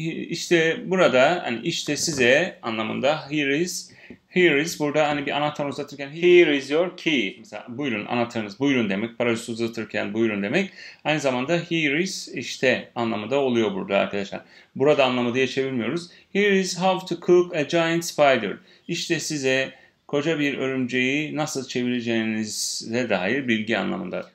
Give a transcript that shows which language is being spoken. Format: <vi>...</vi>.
<tr>İşte burada, hani işte size anlamında</tr> <en>here is. Here is</en> <tr>burada hani bir anahtar uzatırken</tr> <en>here is your key.</en> <tr>Mesela buyurun, anahtarınız buyurun demek. Parayı uzatırken buyurun demek. Aynı zamanda</tr> <en>here is</en> <tr>işte anlamı da oluyor burada arkadaşlar. Burada anlamı diye çevirmiyoruz.</tr> <en>Here is how to cook a giant spider.</en> <tr>İşte size koca bir örümceği nasıl çevireceğinize dair bilgi anlamında.</tr>